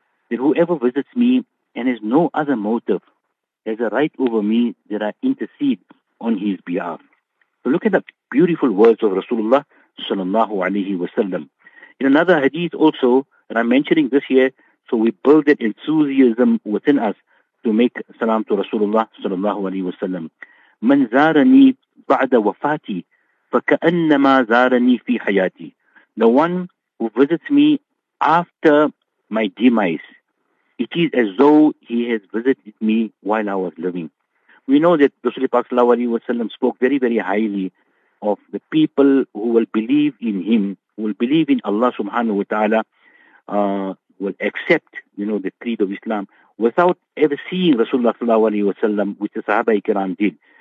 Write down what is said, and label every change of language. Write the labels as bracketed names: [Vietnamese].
[English] That whoever visits me and has no other motive has a right over me that I intercede on his behalf. So look at the beautiful words of Rasulullah sallallahu alayhi wa sallam. In another hadith also, and I'm mentioning this here, so we build that enthusiasm within us to make salam to Rasulullah sallallahu alayhi wa sallam. [Arabic] من زارني بعد وفاتي فكأنما زارني في حياتي. [English] The one who visits me after my demise, it is as though he has visited me while I was living. We know that Rasulullah sallallahu alaihi wasallam spoke very, very highly of the people who will believe in him, who will believe in Allah subhanahu wa ta'ala, will accept, you know, the creed of Islam without ever seeing Rasulullah sallallahu alaihi wasallam, which the sahaba ikram did.